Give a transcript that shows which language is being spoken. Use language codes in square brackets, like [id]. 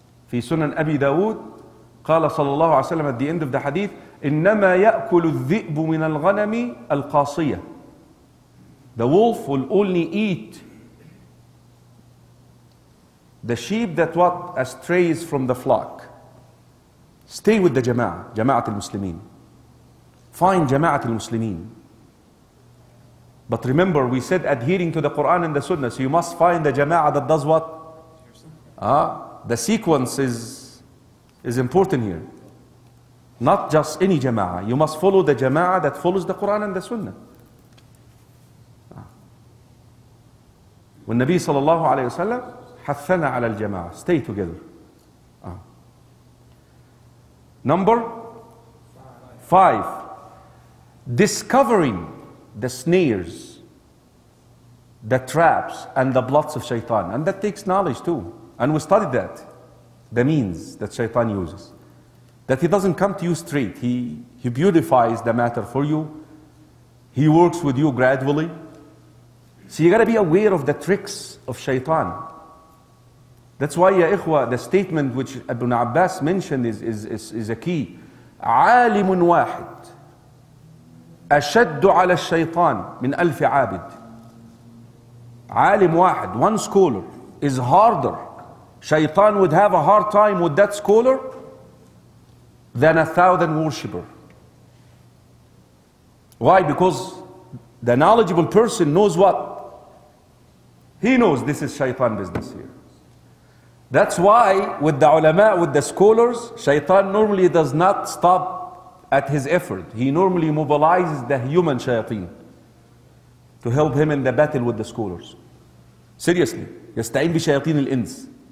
[ar] في سنن أبي داود قال صلى الله عليه وسلم [en] at the end of the hadith [ar] إنما يأكل الذئب من الغنم القاصية. [en] The wolf will only eat the sheep that what astrays from the flock. Stay with the jama'a, jama'at [ar] المسلمين. [en] Find jama'at المسلمين. But remember we said adhering to the Quran and the Sunnah, so you must find the jama'a that does what? The sequence is important here. Not just any jama'ah. You must follow the jama'ah that follows the Quran and the Sunnah. [ar] والنبي صلى الله عليه وسلم حثنا على الجماعة. [en] Stay together. Number five. Discovering the snares, the traps, and the plots of shaitan. And that takes knowledge too. And we studied that. The means that shaitan uses. That he doesn't come to you straight. He beautifies the matter for you. He works with you gradually. So you got to be aware of the tricks of shaitan. That's why, ya ikhwa, the statement which Ibn Abbas mentioned is a key. [ar] عالم واحد أشد على الشيطان من ألف عابد. عالم واحد, [en] one scholar, is harder. Shaitan would have a hard time with that scholar than 1,000 worshipper. Why? Because the knowledgeable person knows what? He knows this is shaitan business here. That's why with the ulama, with the scholars, shaitan normally does not stop at his effort. He normally mobilizes the human shayateen to help him in the battle with the scholars. Seriously, [ar] يستعين بشياطين الإنس.